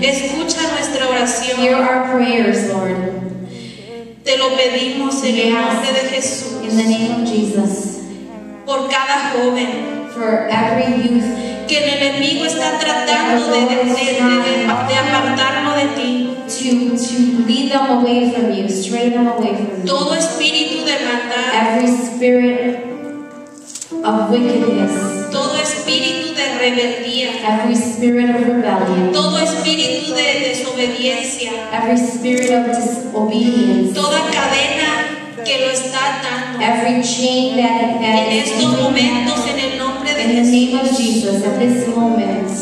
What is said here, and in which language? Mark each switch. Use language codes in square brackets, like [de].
[es] Escucha nuestra oración. [en] Hear our prayers, Lord. [es] Te lo pedimos en el nombre de Jesús. [en] In the name of Jesus. [es] Por cada joven. [en] For every youth. [es] Que el enemigo está tratando de apartarlo de ti. [en] To lead them away from you, strain them away from you. [es] Todo espíritu de maldad. [en] Every spirit of wickedness. [es] Todo espíritu de rebeldía. [en] Every spirit of rebellion. [es] Todo espíritu de desobediencia. [en] Every spirit of disobedience. [es] Toda cadena que lo está atando. [en] Every chain that [es] en estos momentos en el nombre de Jesús. [en] In the name of Jesus, at this moment.